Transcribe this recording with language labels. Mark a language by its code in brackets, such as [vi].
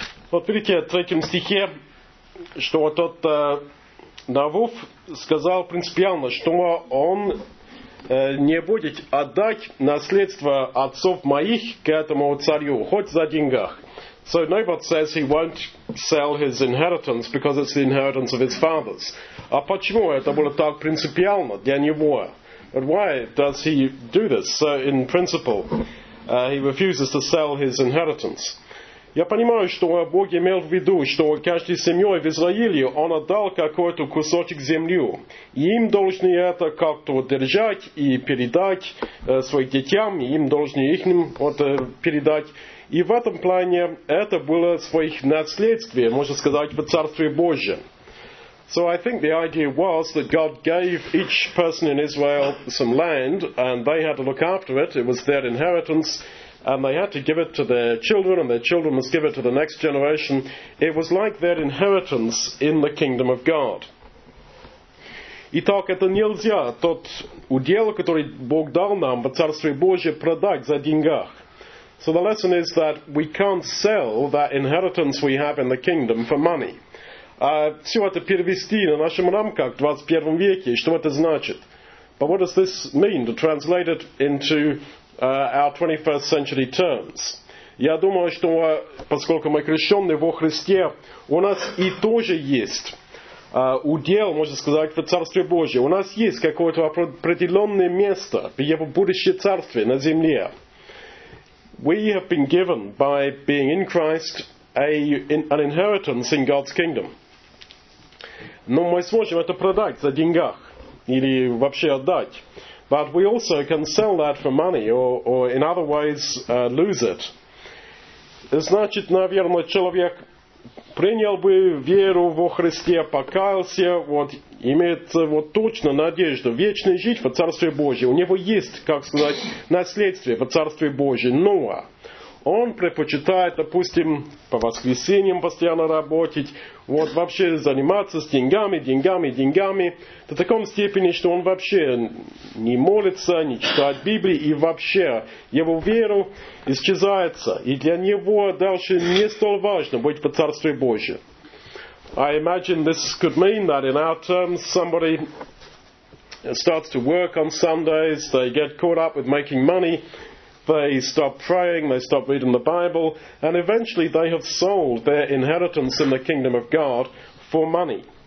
[ru] Вот видите, в третьем стихе, что вот тот Навуф сказал принципиально, что он не будет отдать наследство отцов моих к этому царю, хоть за деньгах. [en] So Naboth says he won't sell his inheritance because it's the inheritance of his fathers. [ru] А почему это было так принципиально для него? [en] But why does he do this? So in principle, he refuses to sell his inheritance. [ru] Я понимаю, что Бог имел в виду, что каждой семьей в Израиле он отдал какой-то кусочек земли. И им должны это как-то держать и передать своим детям, и им должны их передать. И в этом плане это было своих наследствий, можно сказать, в Царстве Божьем. [en] So I think the idea was that God gave each person in Israel some land, and they had to look after it. It was their inheritance, and they had to give it to their children, and their children must give it to the next generation. It was like their inheritance in the kingdom of God. [ru] Итак, это нельзя, тот удел, который Бог дал нам в Царстве Божьем, продать за деньгах. [en] So the lesson is that we can't sell that inheritance we have in the kingdom for money. [ru] Все это перевести на нашем рамках в 21 веке. Что это значит? [en] But what does this mean to translate it into our 21st century terms? [ru] Я думаю, что поскольку мы крещены во Христе, у нас и тоже есть удел, можно сказать, в Царстве Божьем. У нас есть какое-то определенное место в его будущее царстве на земле. [en] We have been given by being in Christ an inheritance in God's kingdom. [ru] Но мы сможем это продать за деньгах или вообще отдать. [en] But we also can sell that for money or in other ways lose it. [ru] Значит, наверное, человек принял бы веру во Христе, покаялся, имеет точно надежду вечно жить в Царстве Божьем. У него есть, как сказать, наследствие в Царстве Божьем. Но он предпочитает, допустим, по воскресеньям постоянно работать, вообще заниматься с деньгами, до такой степени, что он вообще не молится, не читает Библии, и вообще его веру исчезается. И для него дальше не столь важно быть в Царстве Божьем. [en] I imagine this could mean that in our terms, somebody starts to work on Sundays, they get caught up with making money, they stop praying, they stop reading the Bible, and eventually they have sold their inheritance in the kingdom of God for money.